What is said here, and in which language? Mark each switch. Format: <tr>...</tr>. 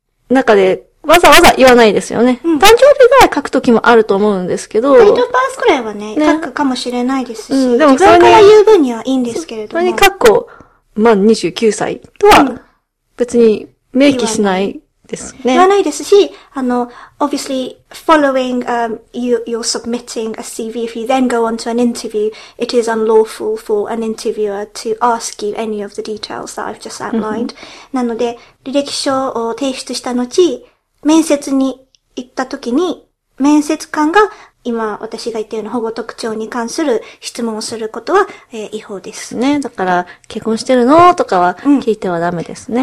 <ja>中でわざわざ言わないですよね。うん、誕生日ぐらい書くときもあると思うんですけど。デートパースくらいはね、書くかもしれないですし、うん、でも自分から言う分にはいいんですけれども。それに括弧、まあ、29歳とは、別に明記しないですね。言わないですし、</ja> <en>obviously, following, you're submitting a CV, if you then go on to an interview, it is unlawful for an interviewer to ask you any of the details that I've just outlined.</en> <ja>なので、履歴書を提出した後、面接に行った時に、面接官が今私が言ったような保護特徴に関する質問をすることは、違法です。ね。だから、結婚してるのとかは聞いてはダメですね。</ja>